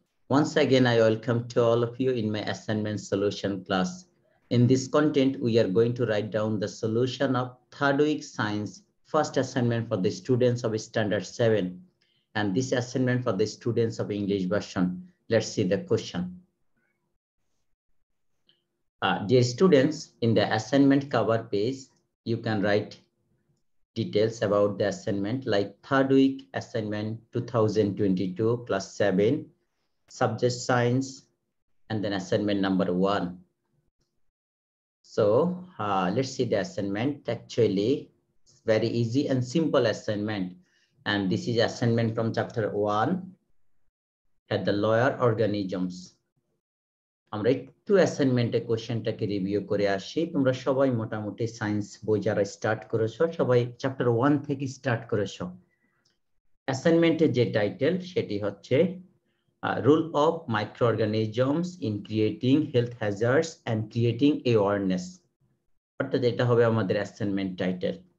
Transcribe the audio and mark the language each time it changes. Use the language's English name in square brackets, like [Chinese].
[English] Once again I welcome to all of you in my assignment solution class. In this content we are going to write down the solution of third week science first assignment for the students of standard 7 and this assignment for the students of English version. Let's see the question. Dear students, in the assignment cover page, you can write details about the assignment like third week assignment 2022 class 7, subject science, and then assignment number 1. So let's see the assignment. Actually, it's very easy and simple assignment. And this is assignment from chapter 1 at the lower organisms. [Bangla] আমরা একটু অ্যাসাইনমেন্টের কোয়েশ্চনটাকে review করে আসি। তোমরা সবাই মোটামুটি science বই যারা স্টার্ট করেছো, সবাই চ্যাপ্টার 1 থেকে স্টার্ট করেছো। অ্যাসাইনমেন্টের যে টাইটেল সেটি হচ্ছে [English] role of micro organisms in creating health hazards and creating awareness, [Bangla] অর্থাৎ এটা হবে আমাদের অ্যাসাইনমেন্ট টাইটেল।